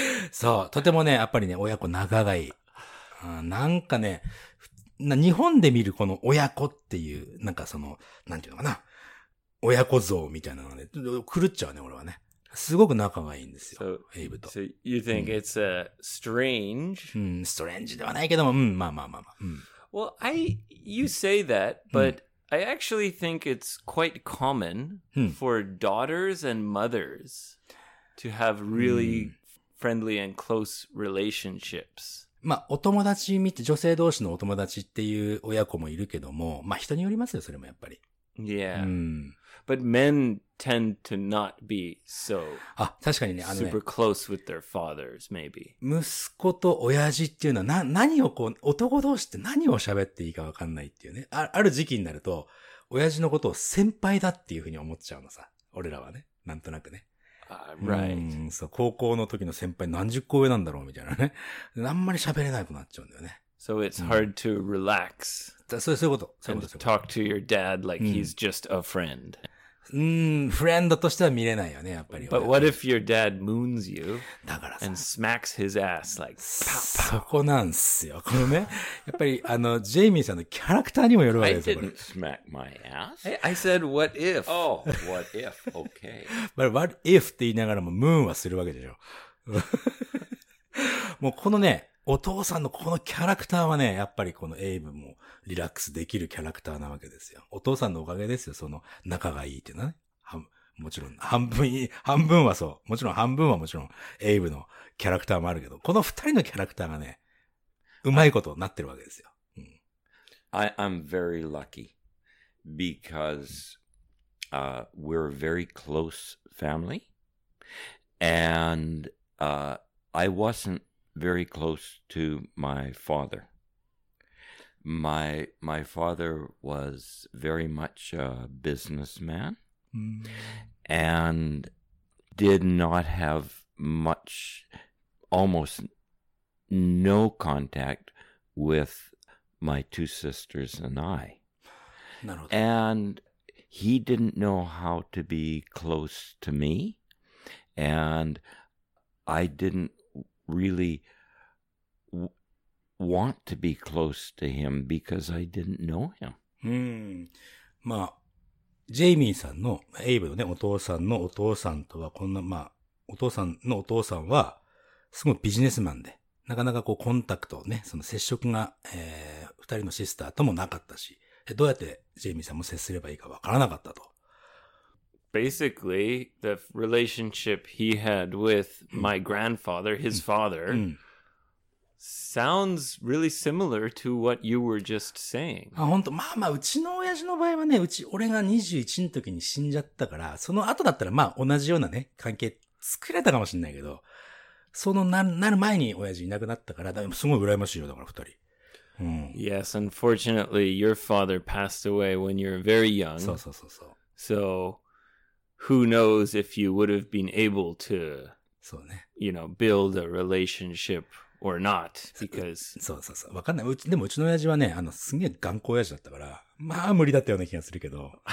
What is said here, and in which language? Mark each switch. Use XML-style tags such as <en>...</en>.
<ja>そう、とてもね、やっぱりね、親子仲がいい。なんかね、日本で見るこの親子っていうなんかそのなんていうのかな、親子像みたいなのがね、狂っちゃうね俺はね。すごく仲がいいんですよ。</ja> <en>So,</en> <ja>エイブと。</ja> <en>So you think it's a strange?</en> <ja>Strange ではないけども、まあ。</ja> <en>Well, you say that, but I actually think it's quite common for daughters and mothers to have really friendly and close relationships.</en> <ja>まあ、お友達見て、女性同士のお友達っていう親子もいるけども、まあ、人によりますよ、それもやっぱり。</ja> <en>Yeah. But men tend to not be so super close with their fathers, maybe.</en> <ja>息子と親父っていうのは何をこう男同士って何を喋っていいか分かんないっていうね。ある時期になると親父のことを先輩だっていうふうに思っちゃうのさ。俺らはね、なんとなくね。</ja> <en>Right.</en> <ja>そう、高校の時の先輩何十個上なんだろうみたいなね。あんまり喋れなくなっちゃうんだよね。</ja> <en>So it's hard to relax.</en> <ja>そういうこと。</ja> <en>And talk to your dad like he's just a friend.</en> <ja>フレンドとしては見れないよね、やっぱり。</ja> <en>But what if your dad moons you?</en> <ja>だからさ。</ja> <en>And smacks his ass like,</en> <ja>パッパッ。そこなんすよ。このね、やっぱり、ジェイミーさんのキャラクターにもよるわけですよ。</ja> <en>I didn't smack my ass. I said, what if? Oh, what if? Okay.</en> <ja>But what if って言いながらも、moon はするわけでしょ。もうこのね、お父さんのこのキャラクターはね、やっぱりこのエイブもリラックスできるキャラクターなわけですよ。お父さんのおかげですよ、その仲がいいっていうのはね。もちろん、半分はそう。もちろん、半分はもちろん、エイブのキャラクターもあるけど、この二人のキャラクターがね、うまいことになってるわけですよ。</ja> <en>I'm very lucky because we're a very close family and I wasn't very close to my father. My father was very much a businessman and did not have much, almost no contact with my two sisters and I. And he didn't know how to be close to me. And I didn't really want to be close to him because I didn't know him.</en> <ja>まあ、ジェイミーさんの、エイブのね、お父さんのお父さんとはこんな、まあ、お父さんのお父さんは、すごいビジネスマンで、なかなかこうコンタクトね、その接触が、二人のシスターともなかったし、どうやってジェイミーさんも接すればいいかわからなかったと。</ja> <en>Basically, the relationship he had with my grandfather, his father, sounds really similar to what you were just saying.</en> <ja>あ、本当、まあまあ、うちの親父の場合はね、うち、俺が21の時に死んじゃったから、その後だったらまあ同じようなね、関係作れたかもしれないけど、そのなる前に親父いなくなったから、からすごい羨ましいよ、だから二人。</ja> <en>Yes, unfortunately, your father passed away when you were very young.</en> <ja>そうそうそうそう。</ja> <en>So, who knows if you would have been able to,</en> <ja>そうね。</ja> <en>You know, build a relationship or not, because...</en> <ja>そうそうそう。わかんない。でもうちの親父はね、すげえ頑固親父だったから、まあ無理だったような気がするけど。</ja>